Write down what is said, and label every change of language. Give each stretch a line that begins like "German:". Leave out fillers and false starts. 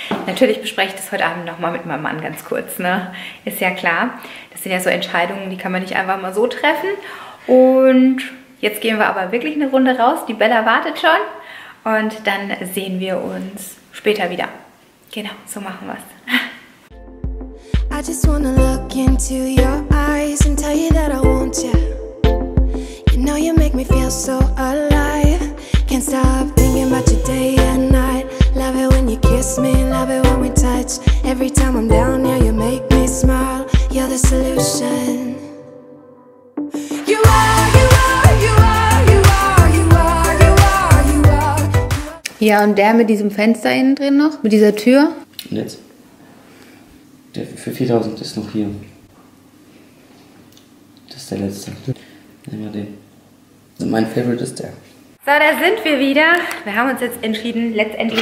German: Natürlich bespreche ich das heute Abend nochmal mit meinem Mann ganz kurz, ne? Ist ja klar. Das sind ja so Entscheidungen, die kann man nicht einfach mal so treffen. Und jetzt gehen wir aber wirklich eine Runde raus. Die Bella wartet schon. Und dann sehen wir uns später wieder. Genau, so machen wir es.
English: I just wanna look into your eyes and tell you that I want you. You know you make me feel so alive. Can't stop thinking about you day and night. Love it when you kiss me, love it when we touch. Every time I'm down here, you make me smile. You're the solution. You are, you are, you are, you are, you are, you are, you are.
German: Ja, und der mit diesem Fenster innen drin noch, mit dieser Tür? Jetzt. Der für 4000 ist noch hier. Das ist der letzte. Nehmen wir den. Also mein Favorite ist der. So, da sind wir wieder. Wir haben uns jetzt entschieden, letztendlich.